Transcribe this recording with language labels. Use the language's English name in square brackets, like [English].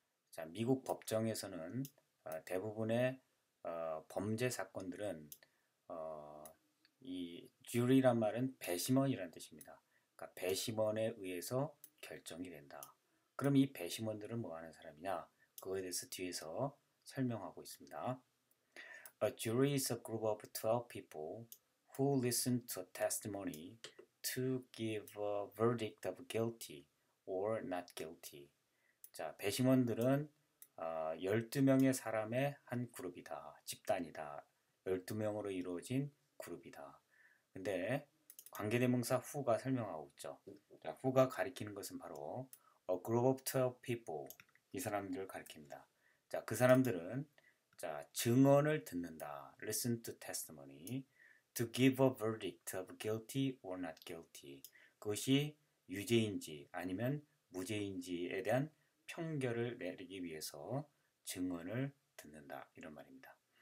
[Korean] 자, 미국 법정에서는 대부분의 범죄 사건들은 이 jury란 말은 배심원이라는 뜻입니다. 그러니까 배심원에 의해서 결정이 된다. 그럼 이 배심원들은 뭐 하는 사람이냐? 그거에 대해서 뒤에서 설명하고 있습니다. [English] A jury is a group of 12 people who listen to a testimony to give a verdict of guilty or not guilty. [Korean] 자, 배심원들은 12명의 사람의 한 그룹이다. 집단이다. 12명으로 이루어진 그룹이다. 근데 관계대명사 who가 설명하고 있죠. 자, who가 가리키는 것은 바로 [English] a group of 12 people. [Korean] 이 사람들을 가리킵니다. 자, 그 사람들은 자, 증언을 듣는다. [English] Listen to testimony. To give a verdict of guilty or not guilty. [Korean] 그것이 유죄인지 아니면 무죄인지에 대한 평결을 내리기 위해서 증언을 듣는다. 이런 말입니다.